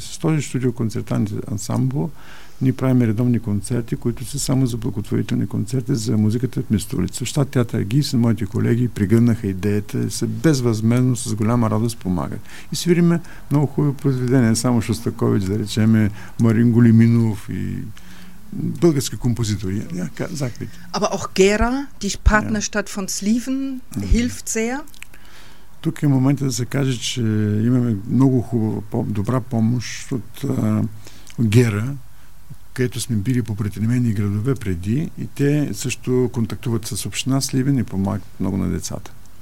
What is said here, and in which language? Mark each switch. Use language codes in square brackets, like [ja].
[bg] С този студио концертанти ансамбл ние правим редовни концерти, които са само за благотворителни концерти за музиката в Мистулица. В щат театър Гис и моите колеги пригъднаха идеята и се безвъзмездно с голяма радост помагат. И свириме много хубави произведения, само Шостакович, да речеме Марин Голиминов и българска композитория. [de] Aber auch Gera, die Partnerstadt von Sliven, hilft sehr. [bg] Тук е момента да се каже, че имаме много хубава, добра помощ от Гера, където сме били по притеснени градове преди и те също контактуват с община Сливен и помагат много на децата.